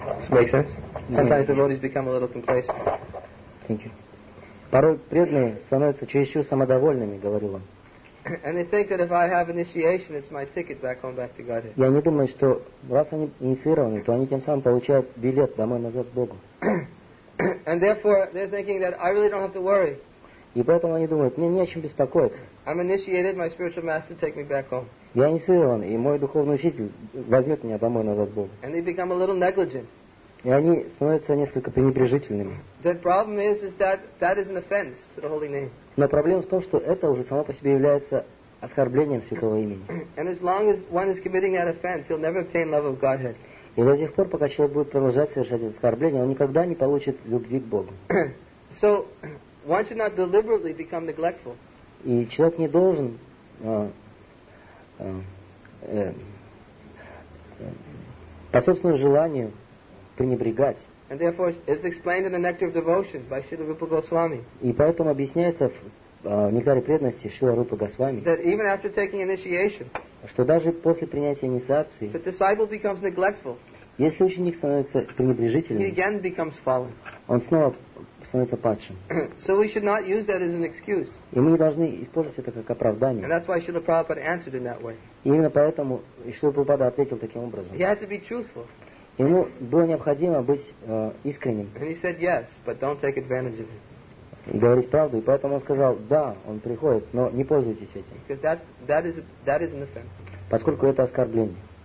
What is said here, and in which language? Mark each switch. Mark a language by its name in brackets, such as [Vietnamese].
[English] Make sense? Sometimes yeah. Devotees become a little complacent. Thank you. [Russian] Порой преданные становятся чересчур самодовольными, говорил он. [English] And they think that if I have initiation, it's my ticket back home, back to Godhead. [Russian] Я не думаю, что раз они инициированы, то они тем самым получают билет домой назад к Богу. [English] And therefore, they're thinking that I really don't have to worry. [Russian] И поэтому они думают, мне не о чем беспокоиться. [English] I'm initiated, my spiritual master take me back home. [Russian] Я инициирован, и мой духовный учитель возьмет меня домой назад к Богу. [English] And they become a little negligent. [Russian] И они становятся несколько пренебрежительными. [English] The problem is that that is an offense to the holy name. [Russian] Но проблема в том, что это уже само по себе является оскорблением святого имени. [English] And as long as one is committing that offense, he'll never obtain love of Godhead. [Russian] И до тех пор, пока человек будет продолжать совершать это оскорбление, он никогда не получит любви к Богу. [English] So one should not deliberately become neglectful. [Russian] И человек не должен по собственному желанию [English] And therefore, it's explained in the Nectar of Devotion by Śrīla Rūpa Gosvāmī. [Russian] И поэтому объясняется в Нектаре преданности Śrīla Rūpa Gosvāmī. [English] That even after taking initiation, [Russian] что даже после принятия инициации, [English] the disciple becomes neglectful. [Russian] Если ученик становится пренебрежительным, [English] he again becomes fallen. [Russian] Он снова становится падшим. [English] So we should not use that as an excuse. [Russian] И мы не должны использовать это как оправдание. [English] And that's why Śrīla Prabhupāda answered in that way. [Russian] И именно поэтому Śrīla Prabhupāda ответил таким образом. [English] He had to be truthful. [Russian] Ему было необходимо быть искренним. [English] And he said yes, but don't take advantage of it. [Russian] И говорить правду, и поэтому он сказал, да, он приходит, но не пользуйтесь этим. [English] Because that is an offense. [Russian] Поскольку это оскорбление.